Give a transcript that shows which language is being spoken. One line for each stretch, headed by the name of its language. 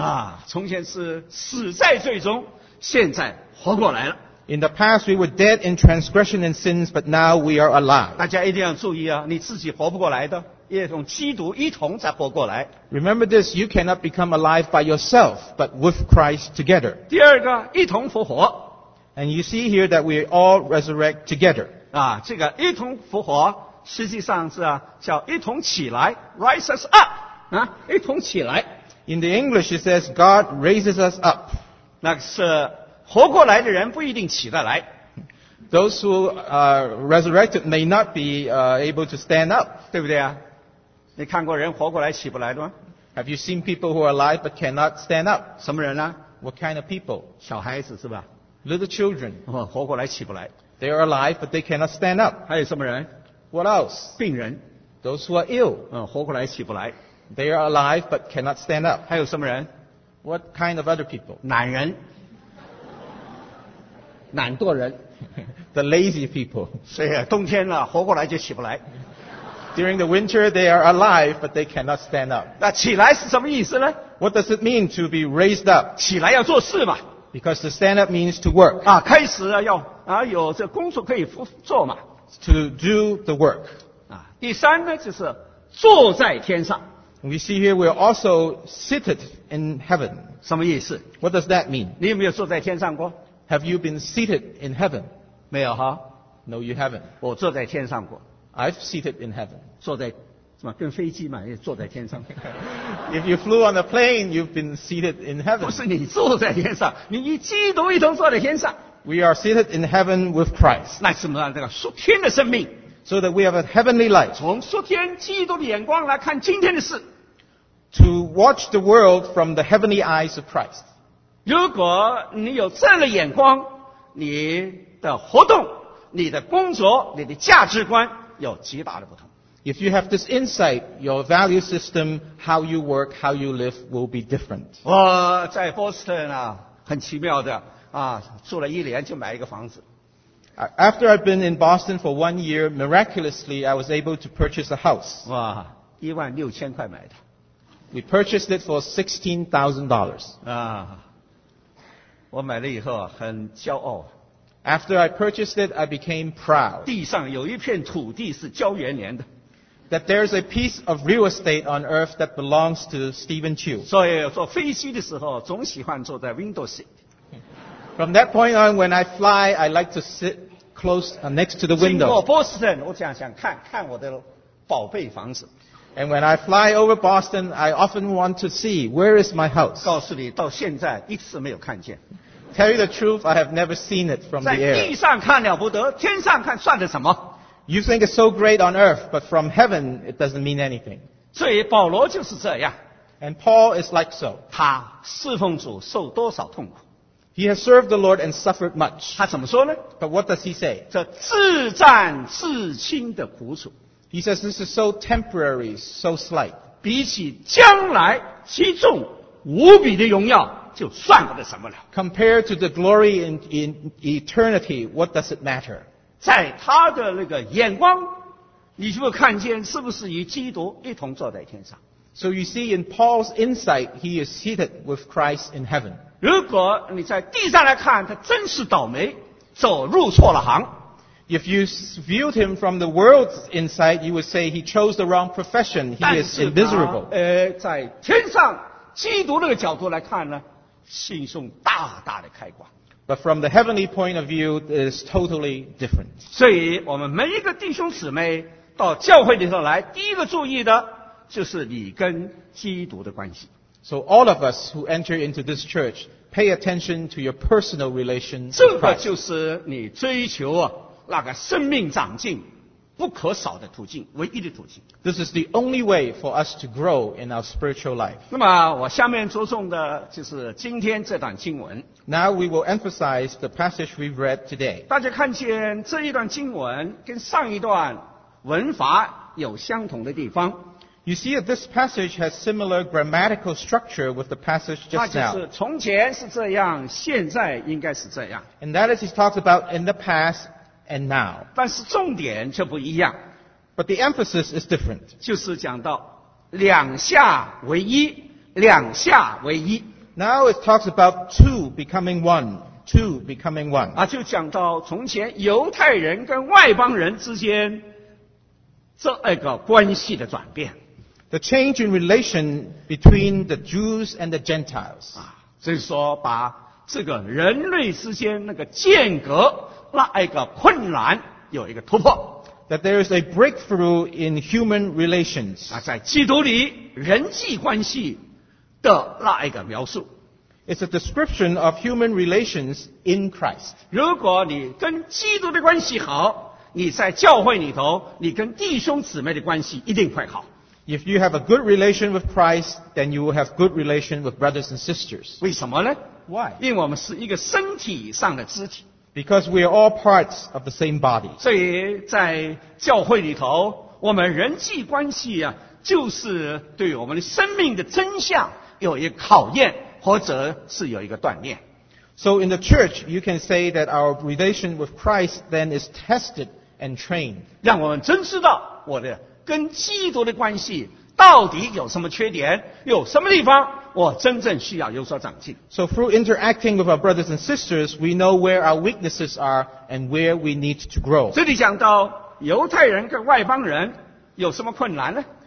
Chinese: 啊，从前是死在罪中，现在活过来了。
English: In the past we were dead in transgression and sins, but now we are alive.
Chinese: 大家一定要注意啊，你自己活不过来的，要用基督一同才活过来。
English: Remember this, you cannot become alive by yourself, but with Christ together.
Chinese: 第二个，一同复活。
English: And you see here that we all resurrect together.
Chinese: 啊，这个一同复活实际上是啊，叫一同起来 ，
English: rise us up，
Chinese: 啊，一同起来。
English: In the English, it says God raises us up.
Chinese: 那是活过来的人不一定起得来。
English: Those who are resurrected may not be able to stand up.
Chinese: 对不对啊？你看过人活过来起不来的吗
English: ？Have you seen people who are alive but cannot stand up?
Chinese: 什么人呢
English: ？What kind of people?
Chinese: 小孩子是吧
English: ？Little children.
Chinese: 活过来起不来。
English: They are alive but they cannot stand up.
Chinese: 还有什么人？
English: What else?
Chinese: 病人
English: Those who are ill.
Chinese: 活过来起不来
English: They are alive but cannot stand up.
Chinese: 还有什么人
English: What kind of other people?
Chinese: 懒人懒惰人
English: The lazy people.
Chinese: 所以冬天了活过来就起不来
English: During the winter they are alive but they cannot stand up.
Chinese: 那起来是什么意思呢
English: What does it mean to be raised up?
Chinese: 起来要做事嘛
English: Because to stand up means to work.
Chinese: 啊开始要啊有这工作可以做嘛
English: To do the work.
Chinese: 第三呢就是坐在天上。
English: We see here we're also seated in heaven.
Chinese: 什么意思
English: ?What does that mean?
Chinese: 你有没有坐在天上过
English: ?Have you been seated in heaven?
Chinese: 没有哈。
English: No, you haven't.
Chinese: 我坐在天上过。
English: I've seated in heaven.
Chinese: 坐在什么跟飞机嘛也坐在天上。
English: If you flew on a plane, you've been seated in heaven.
Chinese: 不是你坐在天上你与基督一同坐在天上。
English: We are seated in heaven with Christ.
Chinese: 那什么那个属天的生命
English: So that we have a heavenly life.
Chinese: 从属天基督的眼光来看今天的事
English: To watch the world from the heavenly eyes of Christ.
Chinese: 如果你有这样的眼光你的活动你的工作你的价值观有极大的不同
English: If you have this insight, your value system, how you work, how you live will be different.
Chinese: 我在波士顿啊很奇妙的啊，住了一年就买一个房子。
English: After I've been in Boston for one year, miraculously I was able to purchase a house.
Chinese: 哇，一万六千块买的。
English: We purchased it for $16,000.
Chinese: 啊，我买了以后很骄傲。
English: After I purchased it, I became proud.
Chinese: 地上有一片土地是焦元年的。
English: That there's a piece of real estate on earth that belongs to Stephen Chu.
Chinese: 所以坐飞机的时候总喜欢坐在 window seat。
English: From that point on, when I fly, I like to sit close next to the window.
Chinese: 经过波士顿，我想想看看我的宝贝房子。
English: And when I fly over Boston, I often want to see where is my house.
Chinese: 告诉你，到现在一次没有看见。
English: Tell you the truth, I have never seen it from the air.
Chinese: 在地上看了不得，天上看算得什么
English: ？You think it's so great on earth, but from heaven, it doesn't mean anything.
Chinese: 所以保罗就是这样。
English: And Paul is like so.
Chinese: 他侍奉主受多少痛苦？
English: He has served the Lord and suffered much.
Chinese: 他怎么说呢
English: ？But what does he say?
Chinese: 这自战自清的苦楚。
English: He says this is so temporary, so slight.
Chinese: 比起将来极重无比的荣耀，就算不得什么了。
English: Compared to the glory in eternity, what does it matter?
Chinese: 在他的那个眼光，你就会看见是不是与基督一同坐在天上。
English: So you see, in Paul's insight, he is seated with Christ in heaven.
Chinese: 如果你在地上来看他真是倒霉走入错了行
English: If you viewed him from the world's insight you would say he chose the wrong profession he is miserable
Chinese: 在天上基督那个角度来看呢心胸大大的开阔
English: But from the heavenly point of view it is totally different
Chinese: 所以我们每一个弟兄姊妹到教会里头来第一个注意的就是你跟基督的关系
English: So all of us who enter into this church, pay attention to your personal relationship.
Chinese: 这个就是你追求那个生命长进不可少的途径，唯一的途径。
English: This is the only way for us to grow in our spiritual life.
Chinese: 那么我下面着重的就是今天这段经文。
English: Now we will emphasize the passage we've read today.
Chinese: 大家看见这一段经文跟上一段文法有相同的地方。
English: You see that this passage has similar grammatical structure with the passage just now.
Chinese: 那就是从前是这样，现在应该是这样。
English: And that is he talks about in the past and now.
Chinese: 但是重点却不一样。
English: But the emphasis is different.
Chinese: 就是讲到两下为一，两下为一。
English: Now it talks about two becoming one. two becoming one.
Chinese: 啊，就讲到从前犹太人跟外邦人之间这个关系的转变。
English: The change in relation between the Jews and the Gentiles.
Chinese: 啊，就是说把这个人类之间那个间隔那个困难有一个突破。
English: That there is a breakthrough in human relations.
Chinese: 啊，在基督里人际关系的那个描述。
English: It's a description of human relations in Christ.
Chinese: 如果你跟基督的关系好，你在教会里头，你跟弟兄姊妹的关系一定会好。
English: If you have a good relation with Christ, then you will have good relation with brothers and sisters.
Chinese: 为什么呢？
English: Why?
Chinese: 因为我们是一个身体上的肢体。
English: Because we are all parts of the same body.
Chinese: 所以在教会里头，我们人际关系啊，就是对我们的生命的真相有一个考验。或者是有一个锻炼。
English: So in the church, you can say that our relation with Christ then is tested and trained.
Chinese: 让我们真知道我的跟基督的关系到底有什么缺点，有什么地方我真正需要有所长进。
English: So through interacting with our brothers and sisters, we know where our weaknesses are and where we need to grow.
Chinese: 这里讲到犹太人跟外邦人有什么困难呢？